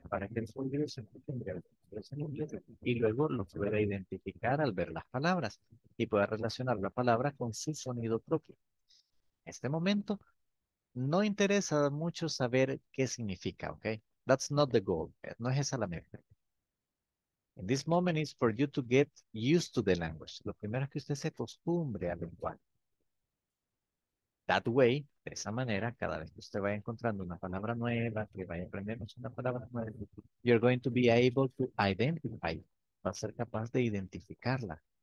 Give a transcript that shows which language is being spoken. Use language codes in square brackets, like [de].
[es] Para que su inglés se entienda en inglés y luego lo pueda identificar al ver las palabras y pueda relacionar la palabra con su sonido propio. En este momento, no interesa mucho saber qué significa, ¿ok? [en] That's not the goal. [es] No es esa la meta. [en] In this moment is for you to get used to the language. [es] Lo primero es que usted se acostumbre al lenguaje. [en] That way, [es] de esa manera, cada vez que usted vaya encontrando una palabra nueva, que vaya aprendiendo una palabra nueva, [en] you're going to be able to identify, [es] va a ser capaz de identificarla.